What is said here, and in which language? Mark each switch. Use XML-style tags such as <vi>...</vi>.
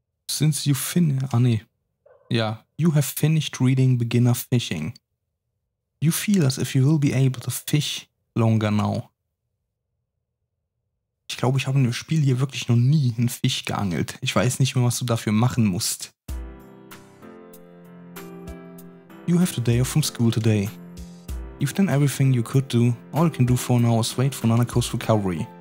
<en>Since you finished, you have finished reading Beginner Fishing. You feel as if you will be able to fish longer now.</en> <de>Ich glaube, ich habe in dem Spiel hier wirklich noch nie einen Fisch geangelt. Ich weiß nicht mehr, was du dafür machen musst.</de> <en>You have the day off from school today. You've done everything you could do. All you can do for now is wait for Nanako's recovery.</en>